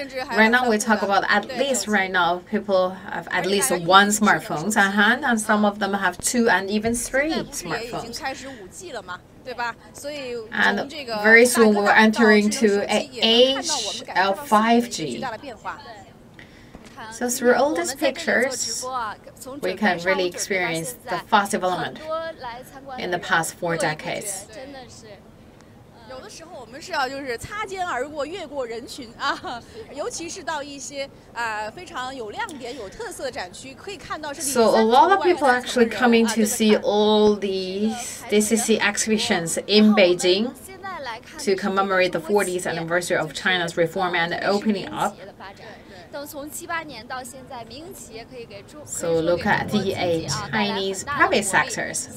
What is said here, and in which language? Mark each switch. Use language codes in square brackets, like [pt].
[en] Right now we talk about at least right now people have at least one smartphone at hand, and some of them have two and even three smartphones. And very soon we're entering to an age of 5G. So through all these pictures, we can really experience the fast development in the past four decades. [zh] 时候我们是要就是擦肩而过，越过人群啊，尤其是到一些非常有亮点、有特色的展区，可以看到是。 [en] So a lot of people actually coming to see all the CCC exhibitions in Beijing to commemorate the 40th anniversary of China's reform and opening up. So look at the Chinese private sectors.